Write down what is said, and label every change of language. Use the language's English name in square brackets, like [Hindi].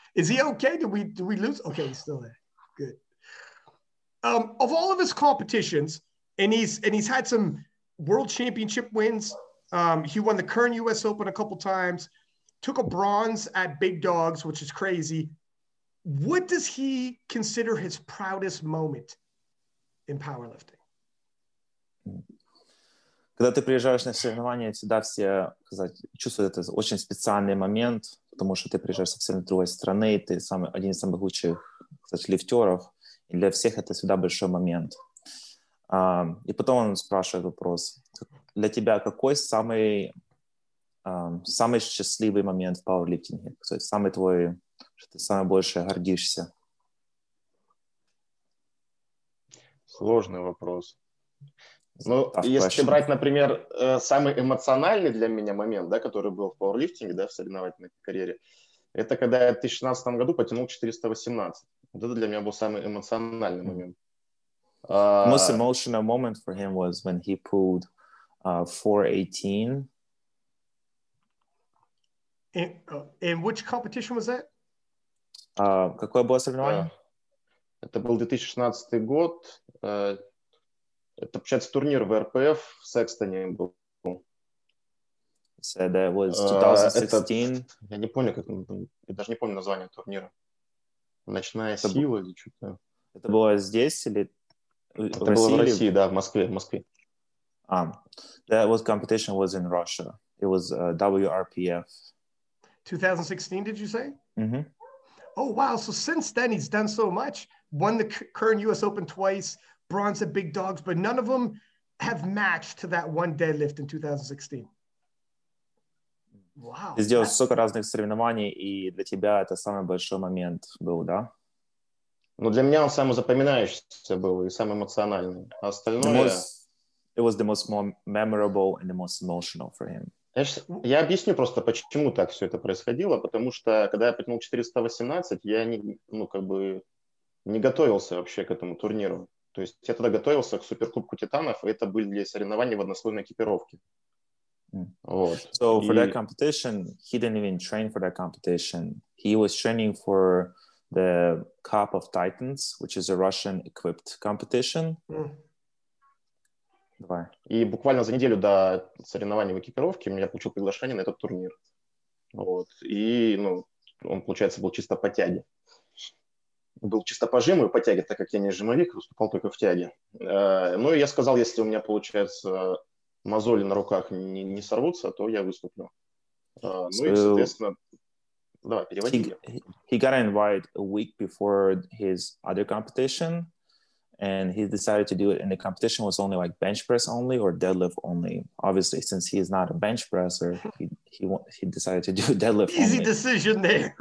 [English] Is he okay? Did we lose? Okay, he's still there. Good. Of all of his competitions, and he's had some world championship wins. He won the current US Open a couple times, took a bronze at Big Dogs, which is crazy. What does he consider his proudest moment in powerlifting? [Russian] Когда ты приезжаешь на соревнования, всегда все, сказать, чувствуют это очень специальный момент, потому что ты приезжаешь совсем с другой страны, ты самый, один из самых лучших, кстати, лифтеров, и для всех это всегда большой момент. И потом он спрашивает вопрос, для тебя какой самый счастливый момент в пауэрлифтинге? То есть самый твой, что ты самый больше гордишься? Сложный вопрос. Ну, если брать, например, самый эмоциональный для меня момент, да, который был в пауэрлифтинге, да, в соревновательной карьере, это когда я в 2016 году потянул 418. Вот это для меня был самый эмоциональный момент. [English] Most emotional moment for him was when he pulled 418. In which competition was that? [Russian] Какое было соревнование? Это был 2016 год. Это, получается, турнир в РПФ в Секстоне был. [English] So that was 2016. [Russian] Я не помню, как... Я даже не помню название турнира. Ночная это сила или что-то. Это было здесь или... Это было в России, или... да, в Москве. В Москве. [English] That was competition was in Russia. It was WRPF. 2016, did you say? Mm-hmm. Oh, wow. So since then, he's done so much. Won the current US Open twice. Bronze at Big Dogs, but none of them have matched to that one deadlift in 2016. Wow. [Russian] Ты сделал столько разных соревнований, и для тебя это самый большой момент был, да? Ну, для меня он самый запоминающийся был и самый эмоциональный. А остальное... [English] It was the most memorable and the most emotional for him. [Russian] Я объясню просто, почему так все это происходило. Потому что, когда я потянул 418, я не готовился вообще к этому турниру. То есть я тогда готовился к Суперкубку Титанов, и это были соревнования в однослойной экипировке. Вот. [English] So for that competition, he didn't even train for that competition. He was training for the Cup of Titans, which is a Russian-equipped competition. [Russian] И буквально за неделю до соревнований в экипировке я получил приглашение на этот турнир. Вот. И он, получается, был чисто по тяге. Был чисто по жиму и по тяге, так как я не жимовик, выступал только в тяге. Ну, я сказал, если у меня, получается, мозоли на руках не сорвутся, то я выступлю. Соответственно... Давай, переводи. [English] He got an invite a week before his other competition, and he decided to do it, and the competition was only like bench press only or deadlift only. Obviously, since he is not a bench presser, he decided to do deadlift only. Easy decision there.